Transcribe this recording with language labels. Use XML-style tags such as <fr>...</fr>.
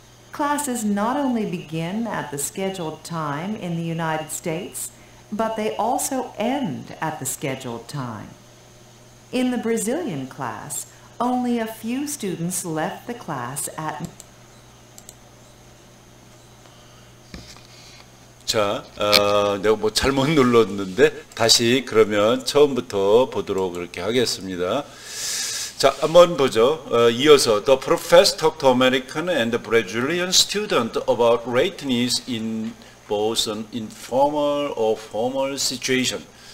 <en>Classes not only begin at the scheduled time in the United States, but they also end at the scheduled time. In the Brazilian class, only a few students left the class at</en> <ko>자, 내가 뭐 잘못 눌렀는데 다시 그러면 처음부터 보도록 그렇게 하겠습니다. 자, 한번 보죠. 이어서</ko> <en>The professor talked to American and Brazilian student about lateness in both an informal or formal situation.</en>